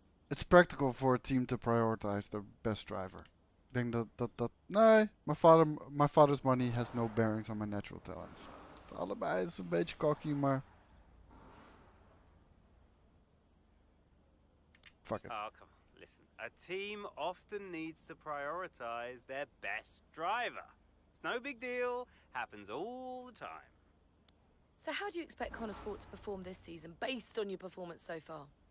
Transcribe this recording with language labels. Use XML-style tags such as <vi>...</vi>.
<en>It's practical for a team to prioritize the best driver. I think that nee, my father's money has no bearings on my natural talents.</en> <nl>Allebei is een beetje cocky, maar...</nl> <en>Fuck it. Oh, come on. Listen, a team often needs to prioritize their best driver. It's no big deal. Happens all the time. So how do you expect Konnersport to perform this season, based on your performance so far?</en>